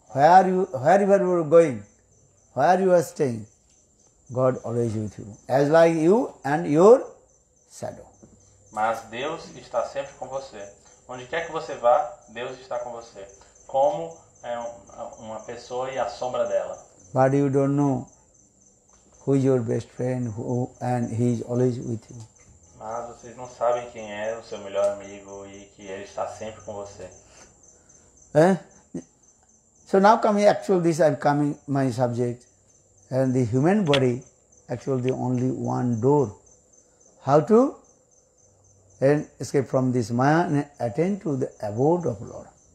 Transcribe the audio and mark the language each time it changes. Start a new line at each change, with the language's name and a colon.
English: Wherever you are going, where you are staying, God always with you. As like you and your shadow.
Portuguese: Mas Deus está sempre com você. Onde quer que você vá, Deus está com você. Como uma pessoa e a sombra dela.
English: But you don't know who is your best friend and he is always with you.
Portuguese: Mas vocês não sabem quem é o seu melhor amigo e que ele está sempre com você. Eh?
English: So now coming actually this I'm coming my subject and the human body actually the only one door. How to and escape from this Maya and attain to the abode of Lord.